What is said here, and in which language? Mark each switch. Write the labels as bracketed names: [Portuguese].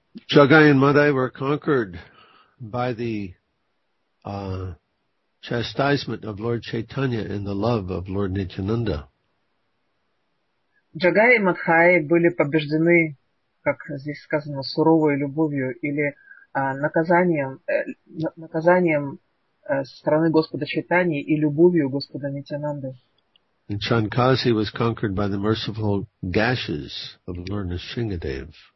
[English] Jagai and Madai were conquered by the chastisement of Lord Chaitanya and the love of Lord Nityananda. [Russian] Jagai и Madhai были побеждены, как здесь сказано, суровой любовью или наказанием со стороны Господа Чайтаньи и любовью Господа Нитянанды. [English] And Chankasi was conquered by the merciful gashes of Lord Nrisimhadev.